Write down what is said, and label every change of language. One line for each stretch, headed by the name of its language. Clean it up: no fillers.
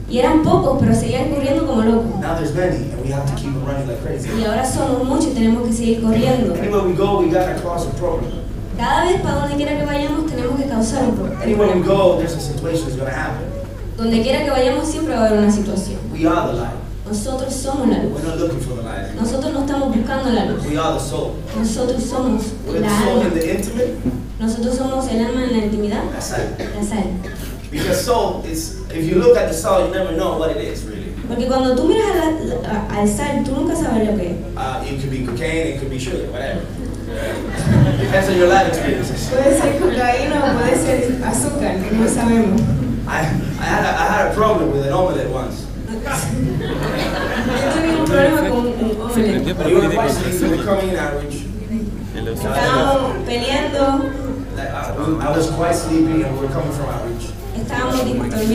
Spanish: Y eran pocos, pero seguían corriendo como locos.
English: Now there's many and we have to keep them running like crazy.
Spanish: Y ahora somos muchos y tenemos que seguir corriendo.
English: Anywhere we go, we got to cause a problem.
Spanish: Cada vez para donde quiera que vayamos tenemos que causar un problema.
English: Anywhere we go, there's a situation that's going to happen.
Spanish: Donde quiera que vayamos siempre va a haber una situación.
English: We are the light.
Spanish: Nosotros somos la luz.
English: We're not looking for the light.
Spanish: Nosotros no estamos buscando la luz.
English: We are the soul.
Spanish: Nosotros somos
English: we're
Spanish: la
English: the soul
Spanish: alma.
English: In the intimate.
Spanish: Nosotros somos el alma en la intimidad. La sal.
English: Because soul is, if you look at the soul, you never know what it is really.
Spanish: Porque cuando tú miras al sal, tú nunca sabes lo que es.
English: It could be cocaine, it could be sugar, whatever. Depends on your life experiences.
Spanish: Puede ser cocaína o puede ser azúcar, no sabemos.
English: I had a problem with an omelette once.
Spanish: Yo tenía un problema con un omelette. Estábamos peleando.
English: I was quite sleepy and we're coming from outreach.